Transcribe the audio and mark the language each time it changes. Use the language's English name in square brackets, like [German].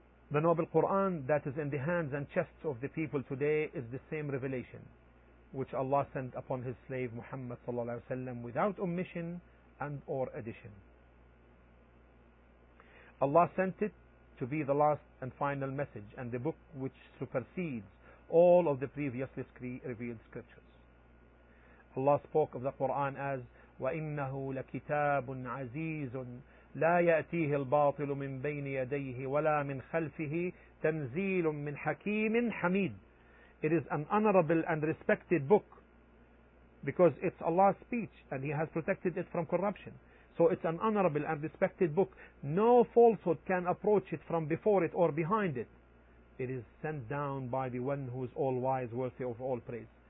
[English] The noble Quran that is in the hands and chests of the people today is the same revelation which Allah sent upon His slave Muhammad sallallahu alaihi wasallam without omission and or addition. Allah sent it to be the last and final message and the book which supersedes all of the previously revealed scriptures. Allah spoke of the Quran as [Arabic] وَإِنَّهُ لَكِتَابٌ عَزِيزٌ لَا يَأْتِيهِ الْبَاطِلُ مِنْ بَيْنِ يَدَيْهِ وَلَا مِنْ خَلْفِهِ تَنْزِيلٌ مِنْ حَكِيمٍ حَمِيدٌ. [English] It is an honorable and respected book because it's Allah's speech and He has protected it from corruption. So it's an honorable and respected book. No falsehood can approach it from before it or behind it. It is sent down by the one who is all-wise, worthy of all praise.